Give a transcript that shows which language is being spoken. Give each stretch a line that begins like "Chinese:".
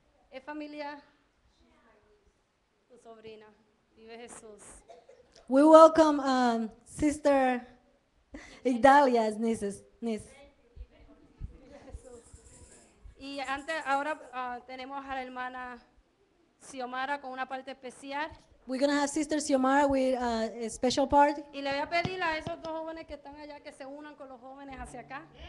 Spanish: ¿Es familia? Tu sobrina. Vive Jesús.
English: We welcome Sister Idalia's niece.
Spanish: Y antes, ahora tenemos a la hermana Xiomara con una parte especial.
English: We're going to have Sister Xiomara with a special part.
Spanish: Y le voy a pedir a esos dos jóvenes que están allá que se unan con los jóvenes hacia acá.